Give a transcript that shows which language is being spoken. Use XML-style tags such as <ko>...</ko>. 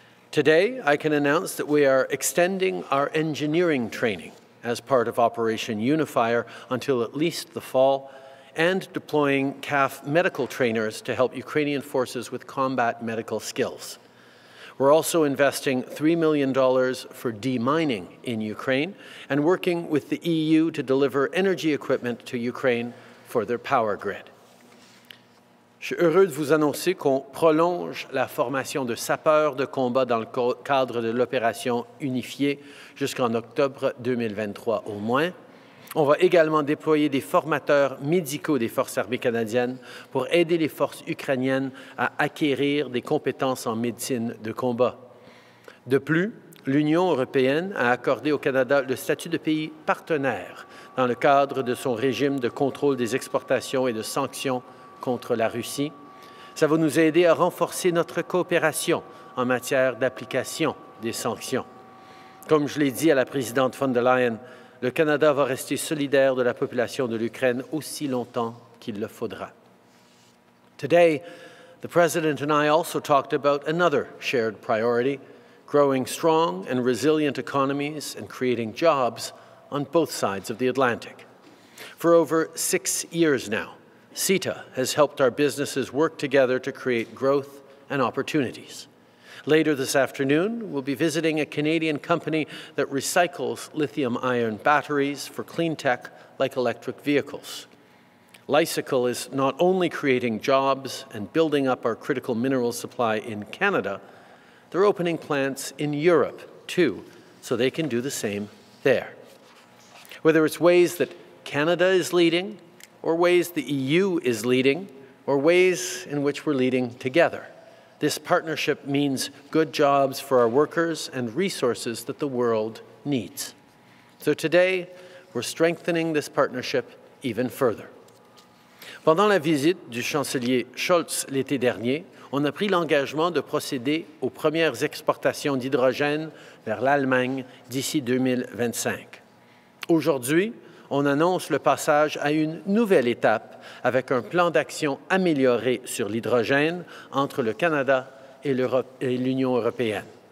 <en>Today, I can announce that we are extending our engineering training as part of Operation Unifier until at least the fall, and deploying CAF medical trainers to help Ukrainian forces with combat medical skills. We're also investing $3 million for demining in Ukraine and working with the EU to deliver energy equipment to Ukraine for their power grid.</en> <fr>Je suis heureux de vous annoncer qu'on prolonge la formation de sapeurs de combat dans le cadre de l'opération unifiée jusqu'en octobre 2023 au moins. On va également déployer des formateurs médicaux des forces armées canadiennes pour aider les forces ukrainiennes à acquérir des compétences en médecine de combat. De plus, l'Union européenne a accordé au Canada le statut de pays partenaire dans le cadre de son régime de contrôle des exportations et de sanctions contre la Russie. Ça va nous aider à renforcer notre coopération en matière d'application des sanctions. Comme je l'ai dit à la présidente von der Leyen, le Canada va rester solidaire de la population de l'Ukraine aussi longtemps qu'il le faudra.</fr> <en>Today, the President and I also talked about another shared priority, growing strong and resilient economies and creating jobs on both sides of the Atlantic. For over 6 years now, CETA has helped our businesses work together to create growth and opportunities. Later this afternoon, we'll be visiting a Canadian company that recycles lithium-ion batteries for clean tech like electric vehicles. Lycicle is not only creating jobs and building up our critical mineral supply in Canada, they're opening plants in Europe too, so they can do the same there. Whether it's ways that Canada is leading, or ways the EU is leading, or ways in which we're leading together. This partnership means good jobs for our workers and resources that the world needs. So today, we're strengthening this partnership even further.</en> <fr>Pendant la visite du chancelier Scholz l'été dernier, on a pris l'engagement de procéder aux premières exportations d'hydrogène vers l'Allemagne d'ici 2025. Aujourd'hui, on annonce le passage à une nouvelle étape avec un plan d'action amélioré sur l'hydrogène entre le Canada et l'Union européenne.</fr>